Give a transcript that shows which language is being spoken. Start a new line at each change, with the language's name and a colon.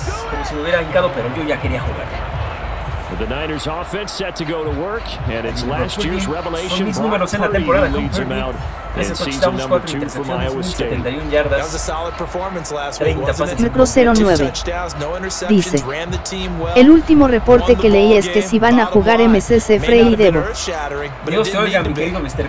Spanish: Como si me hubiera hincado, pero yo ya quería jugar.
English: The Niners offense set to go to work, and it's last year's revelation.
Spanish: Son mis números en la temporada con Purdy. Ese touchdown, 4 intercepciones, 71 yardas, 30 pases. Micro 09. Dice, el último reporte que leí es que si van a jugar MCC, Frey y Debo. Dios te oiga, mi querido Mr.